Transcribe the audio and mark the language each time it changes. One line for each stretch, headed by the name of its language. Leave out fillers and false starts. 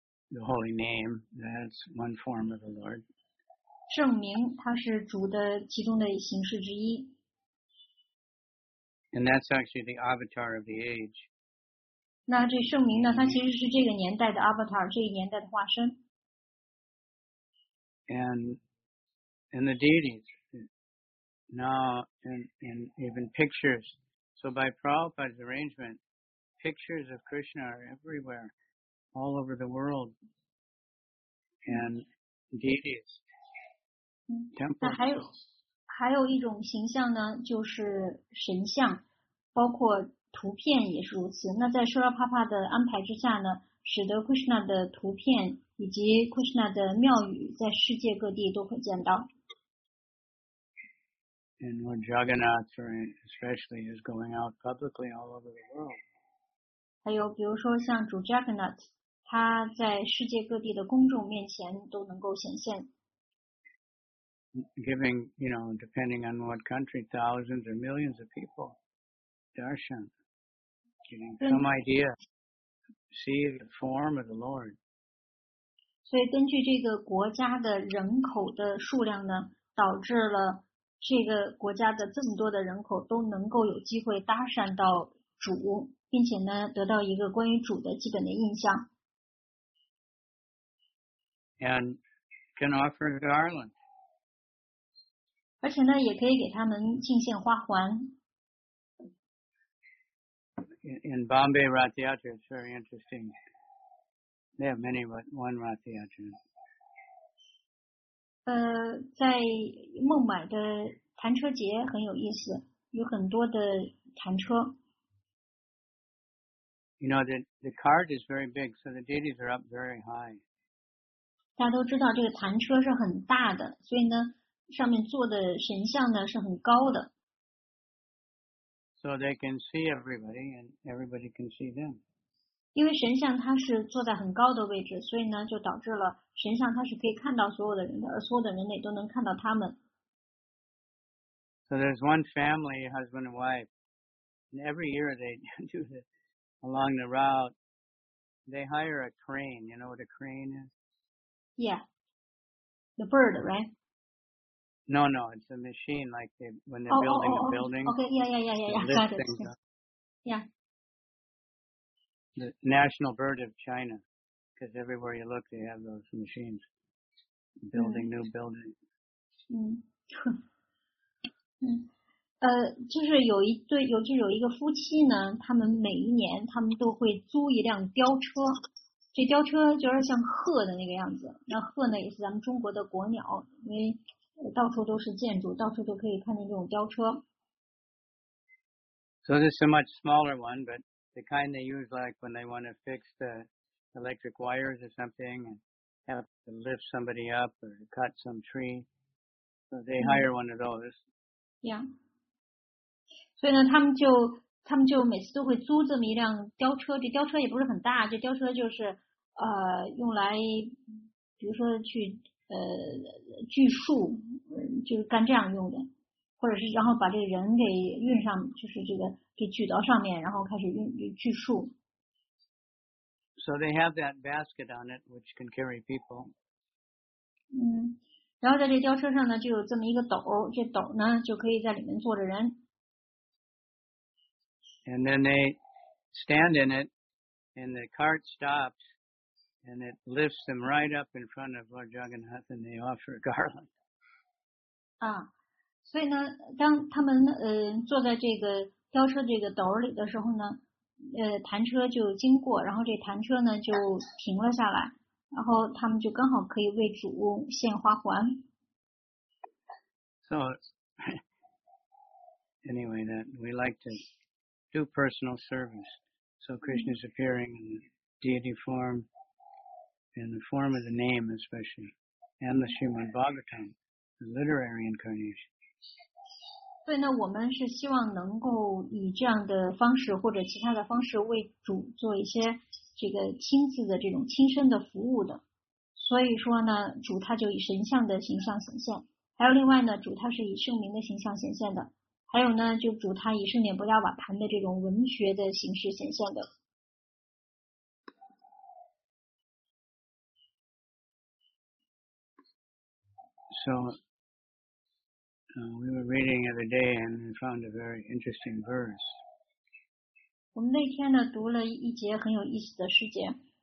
English: The holy name, that's one form of the Lord.
Chinese: 圣名，它是主的其中的形式之一。
English: And that's actually the avatar of the age.
Chinese: 那这圣名呢，它其实是这个年代的 avatar, 这一年代的化身。
English: And the deities, now, and even pictures. So by Prabhupada's arrangement, pictures of Krishna are everywhere, all over the world. And deities, temples.
Chinese: 那还有一种形象呢，就是神像，包括图片也是如此。那在舍拉帕帕的安排之下呢，使得 Krishna 的图片以及 Krishna 的庙宇在世界各地都可见到。
English: And Lord Jagannath, especially, is going out publicly all over the world.
Chinese: 还有比如说像主 Jagannath。他在世界各地的公众面前都能够显现。
English: Giving, you know, depending on what country, thousands or millions of people, darshan, giving some idea, see the form of the Lord.
Chinese: 所以根据这个国家的人口的数量呢，导致了这个国家的这么多的人口都能够有机会darshan到主，并且呢，得到一个关于主的基本的印象。
English: And can offer a garland.
Chinese: 而且呢，也可以给他们敬献花环。
English: In Bombay Ratiyatra, it's very interesting. They have many, but one Ratiyatra.
Chinese: 在孟买的弹车节很有意思，有很多的弹车。
English: You know the cart is very big, so the deities are up very high.
Chinese: 大家都知道这个弹车是很大的，所以呢，上面坐的神像呢是很高的。
English: So they can see everybody, and everybody can see them.
Chinese: 因为神像它是坐在很高的位置，所以呢，就导致了神像它是可以看到所有的人的，而所有的人类都能看到他们。
English: So there's one family, husband and wife, and every year they do it along the route. They hire a crane. You know what a crane is? Yeah, the bird, right? No, it's a machine, like when they're building a building. Okay, yeah, got it. Yeah. The national bird of China, because everywhere you look, they have those machines, building new buildings.
Chinese: 就是有一对，尤其有一个夫妻呢，他们每一年他们都会租一辆吊车。这吊车就是像鹤的那个样子，那鹤呢也是咱们中国的国鸟，因为到处都是建筑，到处都可以看见这种吊车。
English: So this is a much smaller one, but the kind they use like when they want to fix the electric wires or something and have to lift somebody up or cut some tree, so they hire one of those. Yeah.
Chinese: 所以呢，他们就每次都会租这么一辆吊车，这吊车也不是很大，这吊车就是用来比如说去锯树，就是干这样用的，或者是然后把这个人给运上，就是这个给锯到上面，然后开始锯树。
English: So they have that basket on it which can carry people.
Chinese: 然后在这吊车上呢就有这么一个斗，这斗呢就可以在里面坐着人。
English: And then they stand in it, and the cart stops, and it lifts them right up in front of Lord Jagannath, and they offer a garland.
Chinese: 所以呢，当他们坐在这个吊车这个斗里的时候呢，弹车就经过，然后这弹车呢就停了下来，然后他们就刚好可以为主献花环。
English: So anyway, that we like to. Do personal service. So Krishna is appearing in the deity form, in the form of the name especially, and the Srimad Bhagavatam. literary incarnation.
Chinese: 对，那我们是希望能够以这样的方式或者其他的方式为主做一些这个亲自的这种亲身的服务的。所以说呢，主他就以神像的形象显现，还有另外呢，主他是以圣灵的形象显现的，还有呢，就主他以圣殿伯大瓦盘的这种文学的形式显现的。
English: So, we were reading the other day and we found a very interesting verse.
Chinese: 我们那天呢读了一节很有意思的诗节。